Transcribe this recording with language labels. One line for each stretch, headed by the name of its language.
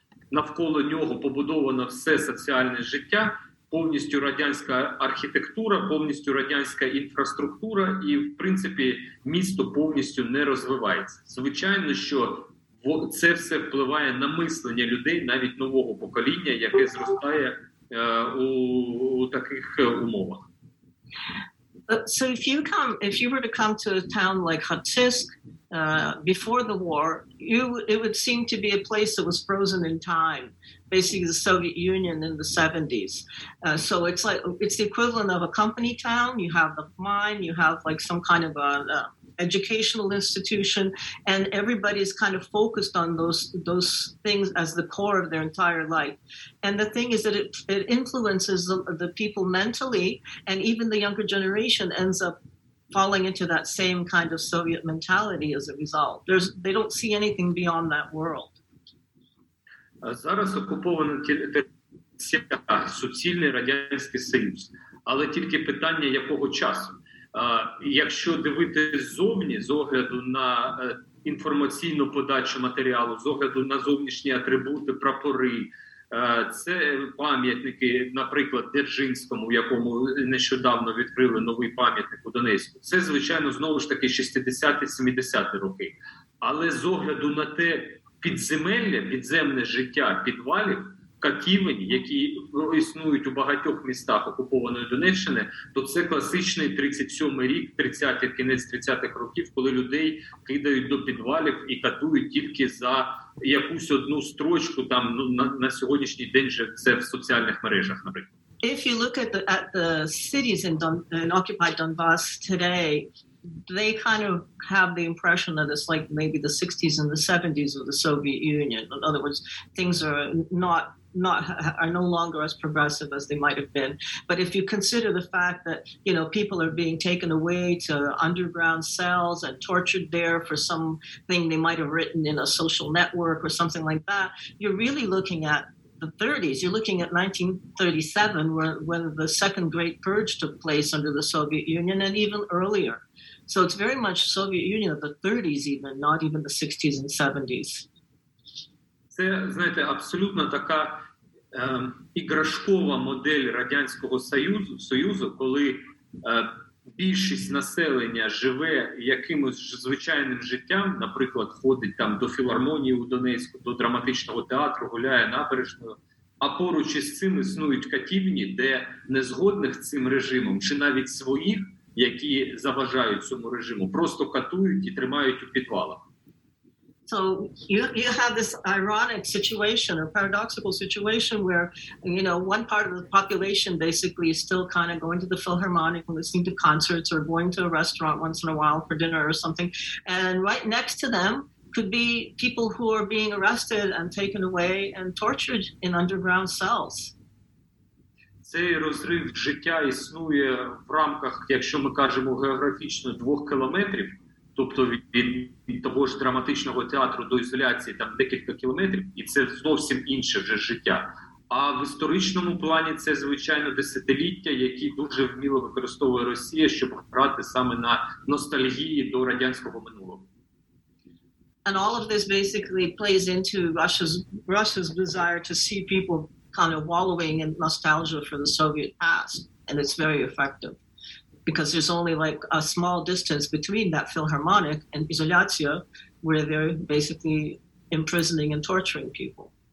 Ukrainian: Навколо нього побудовано все соціальне життя, повністю радянська архітектура, повністю радянська інфраструктура, і, в принципі, місто повністю не розвивається. Звичайно, що це все впливає на мислення людей, навіть нового покоління, яке зростає у таких умовах.
English: So if you were to come to a town like Harzisk before the war, it would seem to be a place that was frozen in time, basically the Soviet Union in the 70s. So it's like, it's the equivalent of a company town. You have the mine, you have like some kind of a educational institution, and everybody is kind of focused on those things as the core of their entire life. And the thing is that it influences the people mentally, and even the younger generation ends up falling into that same kind of Soviet mentality as a result. They don't see anything beyond that world.
Ukrainian: Зараз окупований суцільний Радянський Союз. Але тільки питання, якого часу. Якщо дивитись ззовні, з огляду на інформаційну подачу матеріалу, з огляду на зовнішні атрибути, прапори, це пам'ятники, наприклад, Дзержинському, якому нещодавно відкрили новий пам'ятник у Донецьку. Це, звичайно, знову ж таки 60-70-ті роки. Але з огляду на те, підземелля, підземне життя підвалів, Кокивень, які існують у багатьох містах окупованої Донеччини, то це класичний 37-й рік, 30-й, кінець 30-х років, коли людей кидають до підвалів і катують тільки за якусь одну строчку, там, ну, на сьогоднішній день же це в соціальних мережах, наприклад.
English: If you look at the cities in occupied Donbass today, they kind of have the impression that it's like maybe the 60s and the 70s of the Soviet Union. In other words, things are not no longer as progressive as they might have been. But if you consider the fact that, you know, people are being taken away to underground cells and tortured there for something they might have written in a social network or something like that, you're really looking at the 30s. You're looking at 1937, when the second Great Purge took place under the Soviet Union, and even earlier. So it's very much Soviet Union of the 30s, even not even the 60s and 70s.
Ukrainian: Це, знаєте, абсолютно така іграшкова модель Радянського Союзу, коли більшість населення живе якимось звичайним життям, наприклад, ходить там до філармонії у Донецьку, до драматичного театру, гуляє набережною. А поруч із цим існують катівні, де незгодних цим режимом чи навіть своїх, які заважають цьому режиму, просто катують і тримають у підвалах.
English: So you have this ironic situation or paradoxical situation where, you know, one part of the population basically is still kind of going to the Philharmonic and listening to concerts or going to a restaurant once in a while for dinner or something. And right next to them could be people who are being arrested and taken away and tortured in underground cells.
Ukrainian: Цей розрив життя існує в рамках, якщо ми кажемо географічно, 2 кілометрів, тобто від того ж драматичного театру до ізоляції там декілька кілометрів, і це зовсім інше вже життя. А в історичному плані це, звичайно, десятиліття, які дуже вміло використовує Росія, щоб грати саме на ностальгії до радянського минулого.
English: And all of this basically plays into Russia's desire to see people kind of wallowing in nostalgia for the Soviet past, and it's very effective because there's only like a small distance between that Philharmonic and Izolyatsia where they're basically imprisoning and torturing people.